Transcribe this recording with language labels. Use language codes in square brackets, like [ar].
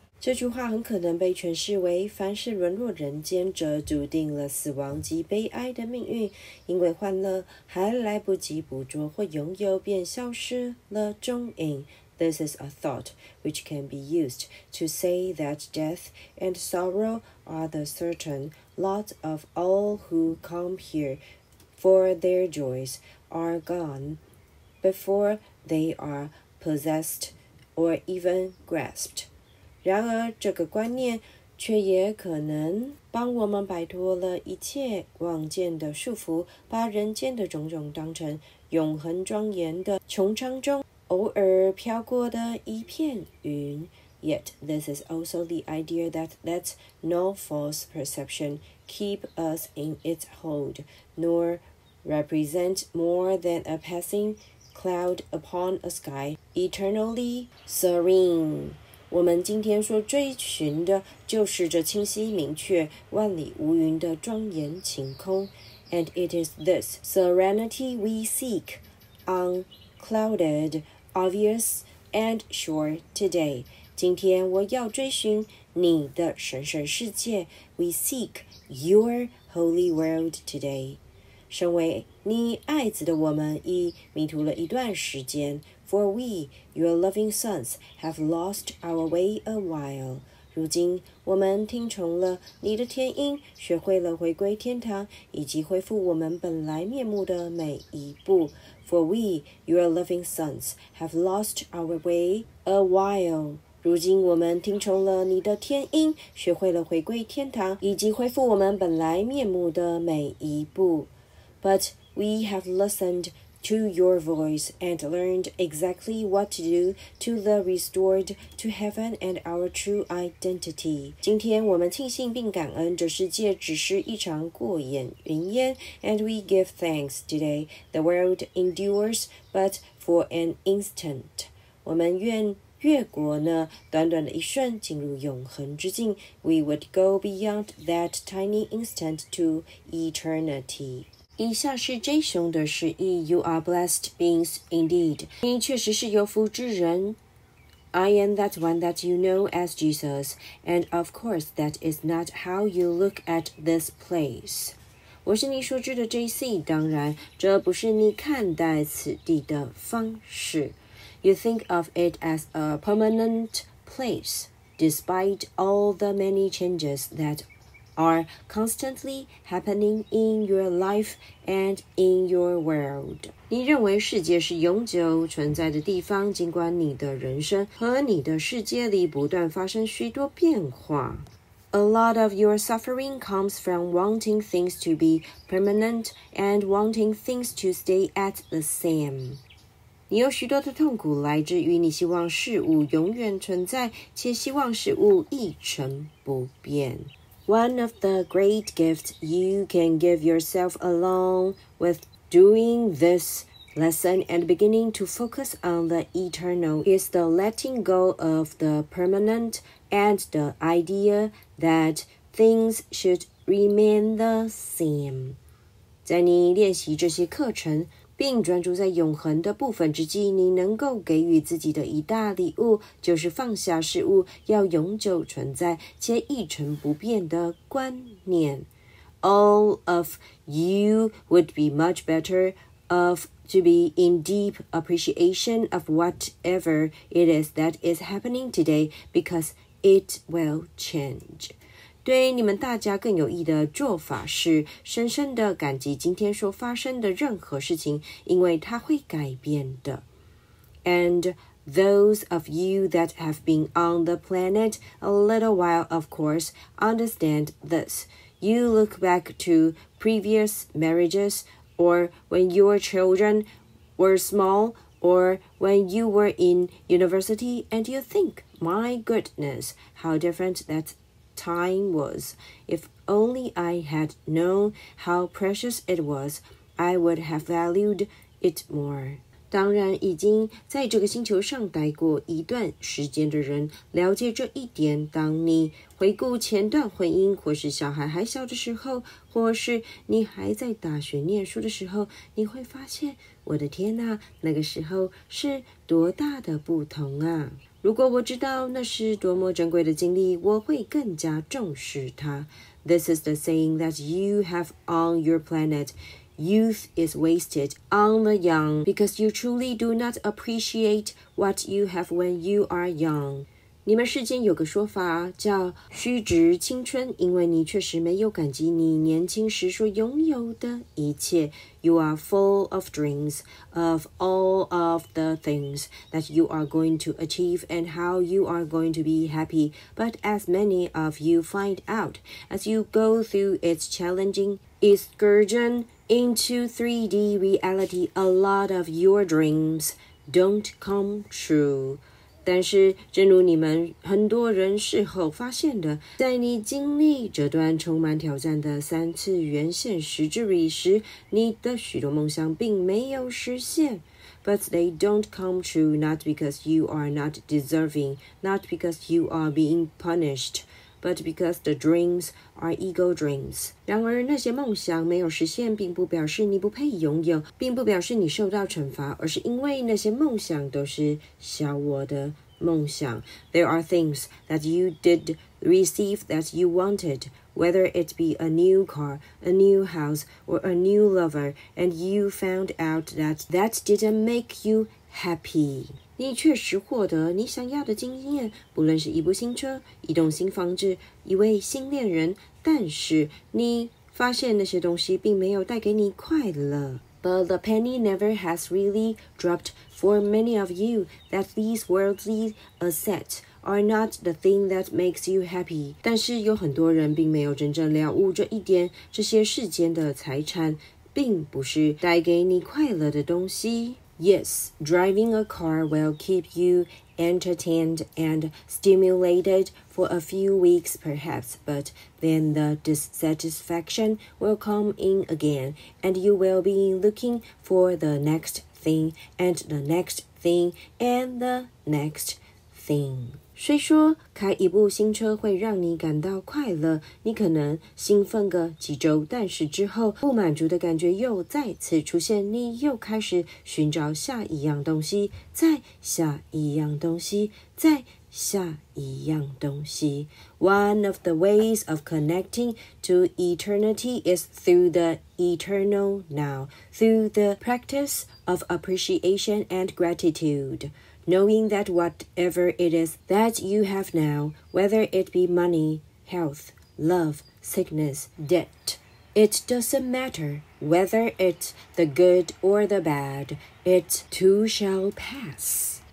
[zh] 这句话很可能被诠释为：凡是沦落人间者，注定了死亡及悲哀的命运。因为欢乐还来不及捕捉或拥有，便消失了踪影。 [en] This is a thought which can be used to say that death and sorrow are the certain lot of all who come here, for their joys are gone. Before they are possessed or even grasped. [zh] 然而这个观念却也可能帮我们摆脱了一切妄见的束缚，把人间的种种当成永恒庄严的穹苍中偶尔飘过的一片云。 [en] Yet this is also the idea that lets no false perception keep us in its hold, nor represent more than a passingcloud upon a sky eternally serene。 [zh] 我们今天所追寻的就是这清晰明确万里无云的庄严晴空。 [en] And it is this serenity we seek, unclouded, obvious and sure today。 [zh] 今天我要追寻你的神圣世界。 [en] We seek your holy world today。 [zh] 身为你爱子的我们已迷途了一段时间。 [en] For we, your loving sons, have lost our way a while。 [zh] 如今我们听从了你的天音，学会了回归天堂以及恢复我们本来面目的每一步。 [en] For we, your loving sons, have lost our way a while。 [zh] 如今我们听从了你的天音，学会了回归天堂以及恢复我们本来面目的每一步。 [en] But we have listened to your voice and learned exactly what to do to the restored to heaven and our true identity。 [zh] 今天我们庆幸并感恩这世界只是一场过眼云烟。 [en] And we give thanks today the world endures but for an instant。 [zh] 我们愿越过那短短的一瞬进入永恒之境。 [en] We would go beyond that tiny instant to eternity。 [zh] 以下是 J 熊的诗意 ： [en] You are blessed beings indeed。 [zh] 你确实是有福之人。 [en] I am that one that you know as Jesus, and of course that is not how you look at this place。 [zh] 我是你熟知的 JC， 当然这不是你看待此地的方式。 [en] You think of it as a permanent place, despite all the many changes that are constantly happening in your life and in your world。 [zh] 你认为世界是永久存在的地方，尽管你的人生和你的世界里不断发生许多变化。 [en] A lot of your suffering comes from wanting things to be permanent and wanting things to stay at the same。 [zh] 你有许多的痛苦来自于你希望事物永远存在，且希望事物一成不变。 [en] One of the great gifts you can give yourself along with doing this lesson and beginning to focus on the eternal is the letting go of the permanent and the idea that things should remain the same。 [zh] 在你练习这些课程并专注在永恒的部分之际，你能够给予自己的一大礼物就是放下事物要永久存在且一成不变的观念。 [en] All of you would be much better off to be in deep appreciation of whatever it is that is happening today because it will change。 [zh] 对你们大家更有益的做法是深深的感激今天所发生的任何事情，因为它会改变的。 [en] And those of you that have been on the planet a little while, of course, understand this. You look back to previous marriages or when your children were small or when you were in university and you think, my goodness, how different that time was. If only I had known how precious it was, I would have valued it more. [zh] 当然已经在这个星球上待过一段时间的人了解这一点，当你回顾前段婚姻或是小孩还小的时候，或是你还在大学念书的时候，你会发现，我的天哪，那个时候是多大的不同啊。如果我知道那是多么珍贵的经历，我会更加重视它。 [en] This is the saying that you have on your planetYouth is wasted on the young because you truly do not appreciate what you have when you are young. [zh] 你们世间有个说法叫虚掷青春，因为你确实没有感激你年轻时所拥有的一切。 [en] You are full of dreams of all of the things that you are going to achieve and how you are going to be happy. But as many of you find out as you go through its challenging excursionInto 3D reality, a lot of your dreams don't come true. [zh] 但是正如你们很多人事后发现的，在你经历这段充满挑战的三次元现实之旅时，你的许多梦想并没有实现。 [en] But they don't come true not because you are not deserving, not because you are being punished. But because the dreams are ego dreams. [zh] 然而那些梦想没有实现并不表示你不配拥有，并不表示你受到惩罚，而是因为那些梦想都是小我的梦想。 [en] There are things that you did receive that you wanted, whether it be a new car, a new house, or a new lover, and you found out that that didn't make you happy. [zh] 你确实获得你想要的经验，不论是一部新车、一栋新房子、一位新恋人，但是你发现那些东西并没有带给你快乐。 [en] But the penny never has really dropped for many of you that these worldly assets are not the thing that makes you happy. [zh] 但是有很多人并没有真正了悟这一点，这些世间的财产并不是带给你快乐的东西。 [en] Yes, driving a car will keep you entertained and stimulated for a few weeks perhaps, but then the dissatisfaction will come in again, and you will be looking for the next thing, and the next thing, and the next thing. [zh] 虽说开一部新车会让你感到快乐，你可能兴奋个几周，但是之后不满足的感觉又再次出现，你又开始寻找下一样东西，再下一样东西，再下一样东西。 [en] One of the ways of connecting to eternity is through the eternal now, through the practice of appreciation and gratitude. Knowing that whatever it is that you have now, whether it be money, health, love, sickness, debt, it doesn't matter whether it's the good or the bad, it too shall pass.